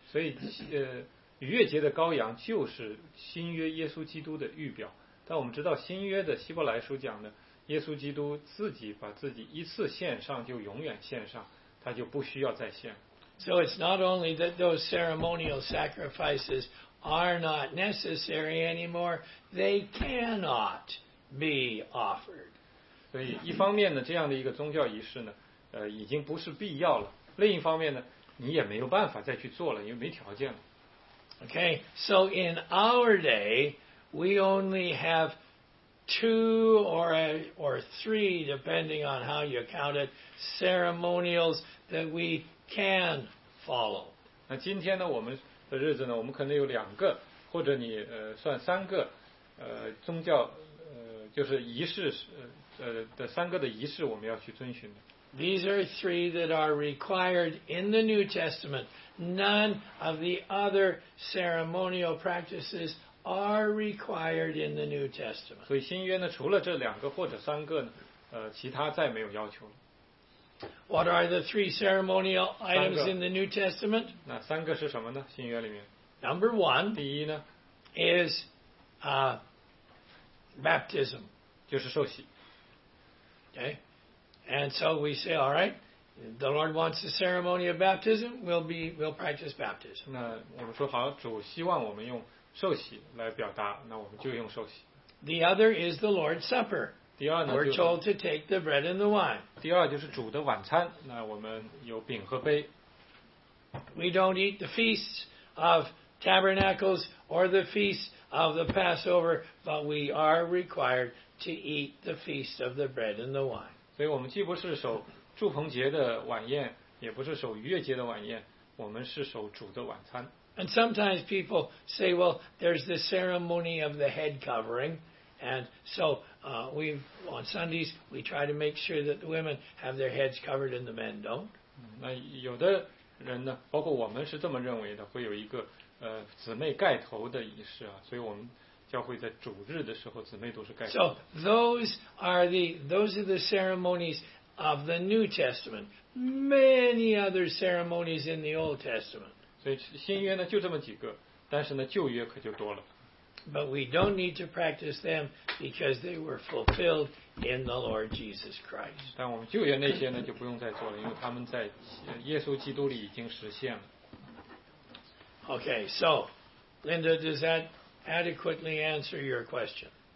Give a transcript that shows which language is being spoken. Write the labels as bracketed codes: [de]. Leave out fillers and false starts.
[zh] 所以逾越节的羔羊就是新约耶稣基督的预表。但我们知道新约的希伯来书讲的耶稣基督自己把自己一次献上就永远献上，他就不需要再献。 [en] So it's not only that those ceremonial sacrifices are not necessary anymore, they cannot be offered. [zh] 所以一方面呢，这样的一个宗教仪式呢已经不是必要了，另一方面呢，你也没有办法再去做了，因为没条件了。 [en] Okay, so in our day, we only have 2 or 3, depending on how you count it, ceremonials that we can follow. [zh] 那今天呢，我们的日子呢，我们可能有2个，或者你算3个，宗教就是仪式的3个的仪式我们要去遵循的。 [en] These are 3 that are required in the New Testament. None of the other ceremonial practices are required in the New Testament. [zh] 所以新约呢，除了这两个或者三个呢，其他再没有要求了。 [en] What are the 3 ceremonial items in the New Testament? [zh] 那三个是什么呢？新约里面。 [en] Number 1, [zh] 第一呢 [en] is baptism. [zh] 就是受洗。 [en] Okay, and so we say, all right, the Lord wants the ceremony of baptism. We'll practice baptism. [zh] 那我们说好，主希望我们用受洗来表达，那我们就用受洗。 [en] The other is the Lord's Supper. We're told to take the bread and the wine. [zh] 第二就是主的晚餐，那我们有饼和杯。 [en] We don't eat the feasts of tabernacles or the feasts of the Passover, but we are required to eat the feast of the bread and the wine. [zh] 所以我们既不是守祝棚节的晚宴，也不是守逾越节的晚宴，我们是守主的晚餐。 [en] And sometimes people say, well, there's the ceremony of the head covering. And so on Sundays, we try to make sure that the women have their heads covered and the men don't. [zh] 那有的人呢，包括我们是这么认为的，会有一个姊妹盖头的仪式啊，所以我们教会在主日的时候姊妹都是盖头的。 [en] So those are the ceremonies of the New Testament. Many other ceremonies in the Old Testament. [zh] 所以新约呢就这么几个，但是呢旧约可就多了。 [en] But we don't need to practice them because they were fulfilled in the Lord Jesus Christ. [zh] 但我们旧约那些呢就不用再做了，因为他们在耶稣基督里已经实现了。 [en] Okay, so Linda, does that adequately answer your question?